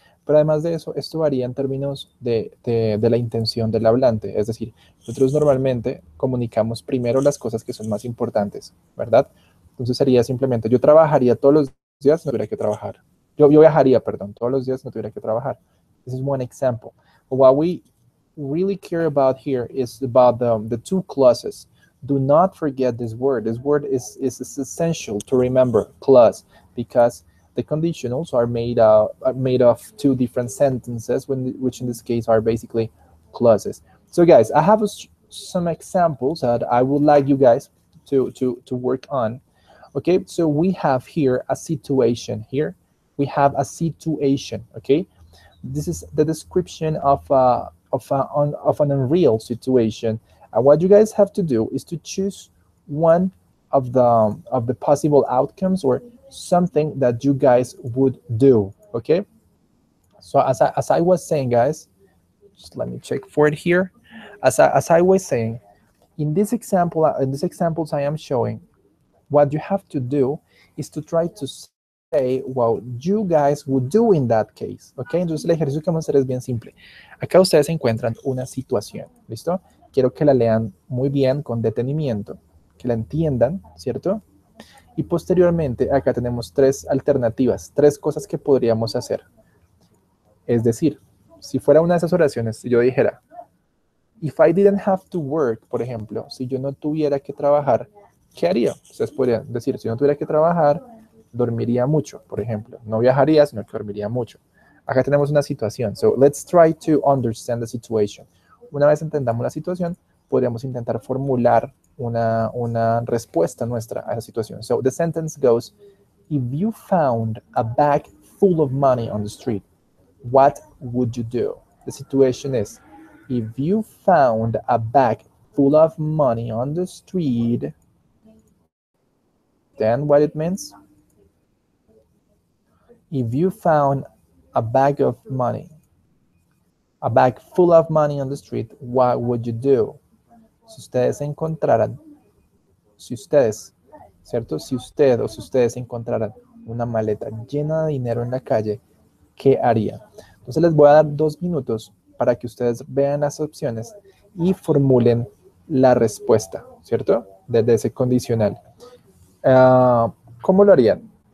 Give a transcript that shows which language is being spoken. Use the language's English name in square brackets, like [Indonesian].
[Spanish] Pero además de eso, esto varía en términos de la intención del hablante. Es decir, nosotros normalmente comunicamos primero las cosas que son más importantes, ¿verdad? Entonces sería simplemente, yo trabajaría todos los días, no tuviera que trabajar. Yo viajaría, perdón, todos los días, no tuviera que trabajar. [English] This is one example. But what we really care about here is about the two clauses. Do not forget this word. This word is essential to remember, clause, because the conditionals are made of two different sentences, which in this case are basically clauses. So, guys, I have some examples that I would like you guys to work on. Okay, so we have here a situation. Here we have a situation. Okay, this is the description of an unreal situation. And what you guys have to do is to choose one of the possible outcomes or something that you guys would do, okay? So as I was saying, guys, just let me check for it here. As I was saying, in these examples I am showing, what you have to do is to try to say what you guys would do in that case, okay? [Spanish] Entonces el ejercicio que vamos a hacer es bien simple. Acá ustedes encuentran una situación, ¿listo? Quiero que la lean muy bien con detenimiento, que la entiendan, ¿cierto? Y posteriormente, acá tenemos tres alternativas, tres cosas que podríamos hacer. Es decir, si fuera una de esas oraciones, si yo dijera, If I didn't have to work, por ejemplo, si yo no tuviera que trabajar, ¿qué haría? Ustedes podrían decir, si no tuviera que trabajar, dormiría mucho, por ejemplo. No viajaría, sino que dormiría mucho. Acá tenemos una situación. So let's try to understand the situation. Una vez entendamos la situación, podríamos intentar formular una respuesta nuestra a esa situación. [English] So the sentence goes, if you found a bag full of money on the street, what would you do? The situation is, if you found a bag full of money on the street, then what it means? If you found a bag of money, a bag full of money on the street, what would you do? [Spanish] Si ustedes encontraran, si ustedes, ¿cierto? Si usted o si ustedes encontraran una maleta llena de dinero en la calle, ¿qué haría? Entonces les voy a dar 2 minutos para que ustedes vean las opciones y formulen la respuesta, ¿cierto? Desde ese condicional. ¿Cómo lo harían?